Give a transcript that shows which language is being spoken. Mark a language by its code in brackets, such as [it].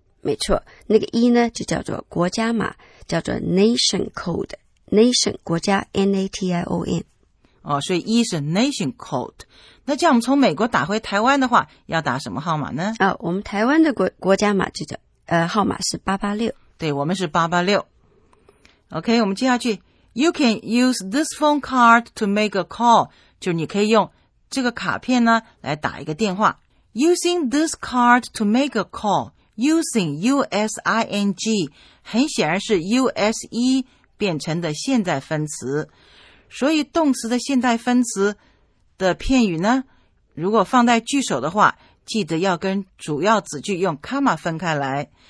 [zh] 没错，那个一呢就叫做国家码，叫做 nation code, nation, 国家 N-A-T-I-O-N. 哦，所以一是 nation code. 那这样我们从美国打回台湾的话要打什么号码呢？哦，我们台湾的 国家码就叫号码是886。对，我们是886。OK, 我们接下去。 [en] You can use this phone card to make a call. [zh] 就是你可以用这个卡片呢来打一个电话。 [en] Using this card to make a call. Using, U-S-I-N-G, [zh] 很显然是 [en] U-S-E [zh] 变成的现在分词。所以动词的现在分词的片语呢，如果放在句首的话，记得要跟主要子句用 comma 分开来。